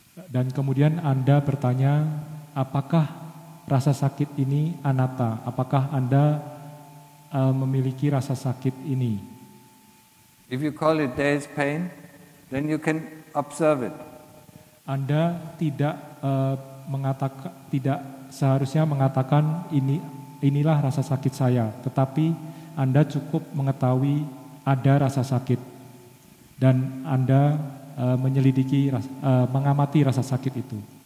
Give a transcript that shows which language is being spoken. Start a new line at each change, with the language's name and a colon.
Indonesian: Dan kemudian Anda bertanya, apakah rasa sakit ini anatta? Apakah Anda memiliki rasa sakit ini?
English: If you call it there is pain, then you can observe it.
Indonesian: Anda tidak seharusnya mengatakan inilah rasa sakit saya, tetapi Anda cukup mengetahui ada rasa sakit dan Anda mengamati rasa sakit itu.